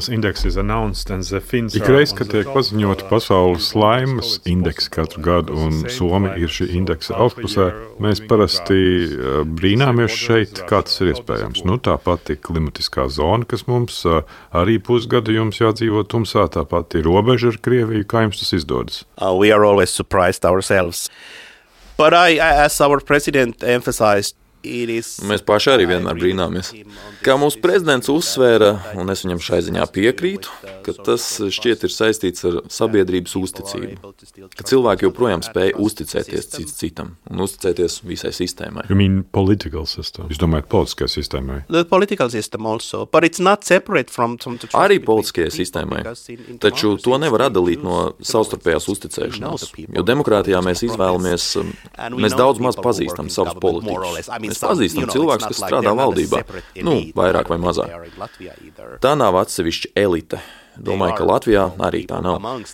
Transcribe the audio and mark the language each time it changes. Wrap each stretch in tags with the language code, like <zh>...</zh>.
<lv>Ikreiz, kad tiek paziņot pasaules laimes indeksi katru gadu un Somi ir šī indeksa augšpusē, mēs parasti brīnāmies šeit, kā tas ir iespējams. Nu, tāpat ir klimatiskā zona, kas mums arī pusgadu jums jādzīvo tumsā, tāpat ir robeža ar Krieviju, kā jums tas izdodas.</lv> <en>We are always surprised ourselves. But I, as our president emphasized,</en> <lv>Mēs paši arī vienmēr brīnāmies. Kā mūsu prezidents uzsvēra, un es viņam šai ziņā piekrītu, ka tas šķiet ir saistīts ar sabiedrības uzticību. Ka cilvēki joprojām spēja uzticēties cits citam un uzticēties visai sistēmai.</lv> <en>You mean political system?</en> <lv>Jūs domājat politiskajai sistēmai?</lv> <en>The political system also, but it's not separate from the...</en> <lv>Arī politiskajai sistēmai. Taču to nevar atdalīt no savstarpējās uzticēšanās. Jo demokrātijā mēs izvēlamies, mēs daudz maz pazīstam savus politiķus. Mēs pazīstam cilvēkus, kas strādā valdībā, nu, vairāk vai mazāk. Tā nav atsevišķa elite. Domāju, ka Latvijā arī tā nav.</lv>